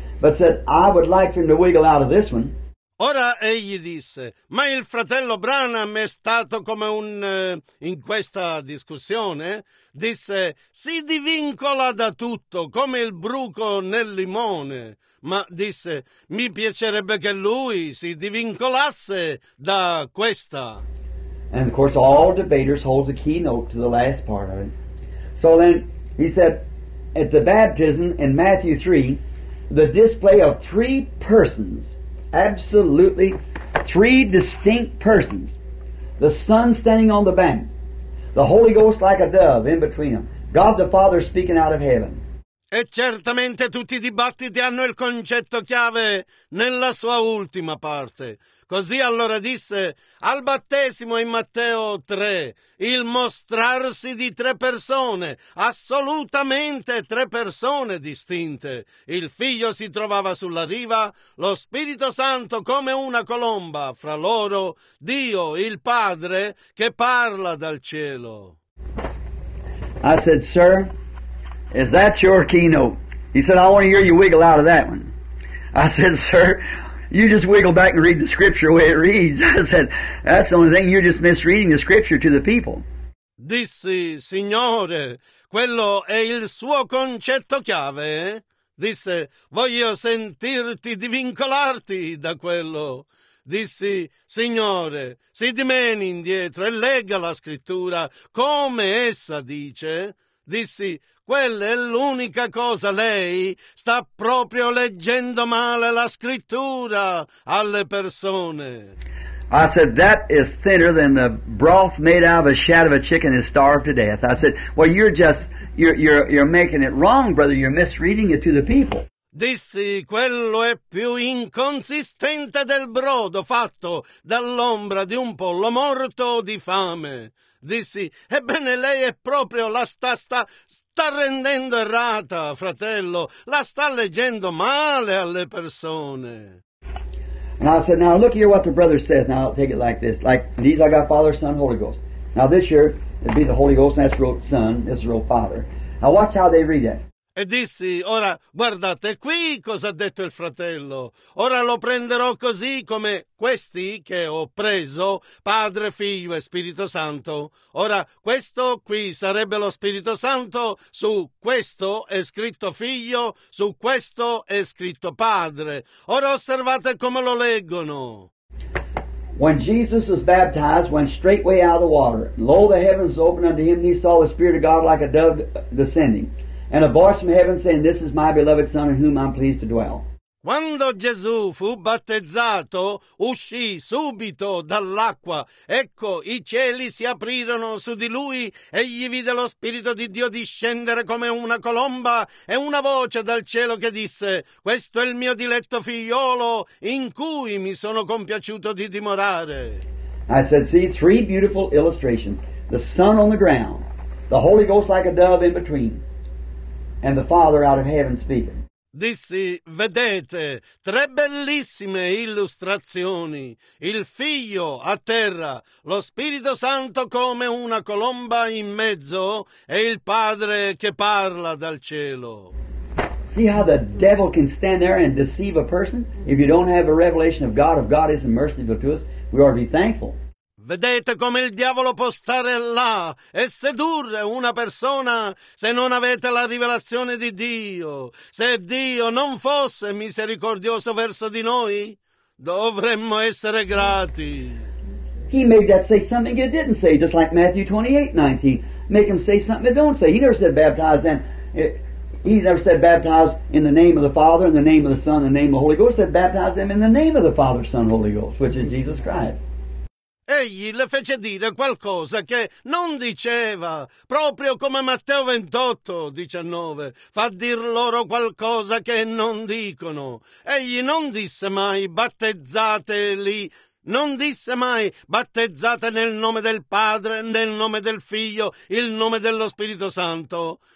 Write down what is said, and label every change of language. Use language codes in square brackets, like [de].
[en] But said, I would like for him to wiggle out of this one. [it] Ora egli disse, ma il fratello Branham è stato come un... in questa discussione, disse, si divincola da tutto, come il bruco nel limone. Ma disse, mi piacerebbe che lui si divincolasse da questa. [en] And of course all debaters hold the keynote to the last part of it. So then he said, at the baptism in Matthew 3, the display of three persons, absolutely three distinct persons, the Son standing on the bank, the Holy Ghost like a dove in between them, God the Father speaking out of heaven. [it] E certamente tutti i dibattiti hanno il concetto chiave nella sua ultima parte. Così allora disse, al battesimo in Matteo 3, il mostrarsi di tre persone, assolutamente tre persone distinte. Il Figlio si trovava sulla riva, lo Spirito Santo come una colomba fra loro, Dio, il Padre, che parla dal cielo. [en] I said, sir, is that your keynote? He said, I want to hear you wiggle out of that one. I said, sir... you just wiggle back and read the scripture the way it reads. I said, that's the only thing, you're just misreading the scripture to the people. [it] Dissi, Signore, quello è il suo concetto chiave? Disse, voglio sentirti divincolarti da quello. Dissi, Signore, si dimeni indietro e legga la scrittura come essa dice. Dissi, quella è l'unica cosa, lei sta proprio leggendo male la scrittura alle persone. [en] I said, that is thinner than the broth made out of a shad of a chicken is starved to death. I said, well, you're making it wrong, brother, you're misreading it to the people. [it] Dissi, quello è più inconsistente del brodo fatto dall'ombra di un pollo morto di fame. Dissi, ebbene lei è proprio, la sta rendendo errata, fratello, la sta leggendo male alle persone. [en] And I said, now look here what the brother says, now I'll take it like this, like these I got Father, Son, Holy Ghost. Now this year it'd be the Holy Ghost, and that's real Son, this is real Father. Now watch how they read that. [it] E dissi, ora guardate qui cosa ha detto il fratello, ora lo prenderò così come questi che ho preso, Padre, Figlio e Spirito Santo. Ora questo qui sarebbe lo Spirito Santo, su questo è scritto Figlio, su questo è scritto Padre. Ora osservate come lo leggono. [en] When Jesus was baptized, went straightway out of the water. Lo, the heavens opened unto him, and he saw the Spirit of God like a dove descending. And a voice from heaven saying, this is my beloved Son in whom I'm pleased to dwell. [it] Quando Gesù fu battezzato, uscì subito dall'acqua. Ecco, i cieli si aprirono su di lui, egli vide lo Spirito di Dio discendere come una colomba e una voce dal cielo che disse: «Questo è il mio diletto figliolo in cui mi sono compiaciuto di dimorare». [en] I said, see, three beautiful illustrations. The Son on the ground, the Holy Ghost like a dove in between, and the Father out of heaven speaking. [it] Dissi, vedete, tre bellissime illustrazioni. Il Figlio a terra, lo Spirito Santo come una colomba in mezzo e il Padre che parla dal cielo. [en] See how the devil can stand there and deceive a person? If you don't have a revelation of God is merciful to us, we ought to be thankful. [it] Vedete come il diavolo può stare là e sedurre una persona se non avete la rivelazione di Dio. Se Dio non fosse misericordioso verso di noi, dovremmo essere grati. [en] He made that say something it didn't say, just like Matthew 28:19. Make him say something it don't say. He never said baptize them. He never said baptize in the name of the Father, in the name of the Son, in the name of the Holy Ghost. He said baptize them in the name of the Father, Son, Holy Ghost, which is Jesus Christ. [it] Egli le fece dire qualcosa che non diceva, proprio come Matteo 28:19, fa dir loro qualcosa che non dicono. Egli non disse mai battezzateli, non disse mai battezzate nel nome del Padre, nel nome del Figlio, il nome dello Spirito Santo.